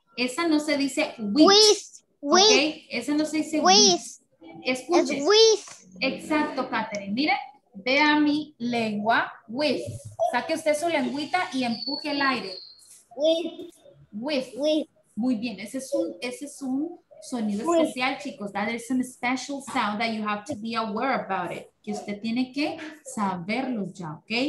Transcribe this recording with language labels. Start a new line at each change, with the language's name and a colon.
Spanish: Esa no se dice with. Okay? Esa no se dice
English: with.
Spanish: Escuchen. Es with. Exacto, Katherine. Mire, vea mi lengua. With. Saque usted su lengüita y empuje el aire.
English: With.
Spanish: Muy bien. Ese es un sonido especial, chicos.
English: That is some special sound that you have to be aware about it.
Spanish: Que usted tiene que saberlo ya, ¿ok?